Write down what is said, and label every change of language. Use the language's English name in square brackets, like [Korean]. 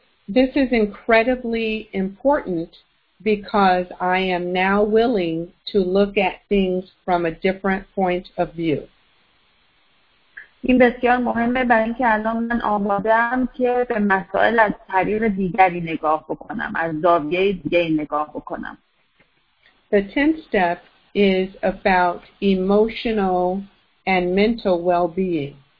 [English] This is incredibly important because I am now willing to look at things from a different point of view. [Persian] این بسیار مهمه برای اینکه الان من آمادم که به مسائل از طریق دیگری نگاه بکنم، از زاویه دیگری نگاه بکنم. [English] The 10th step is about emotional and mental well-being.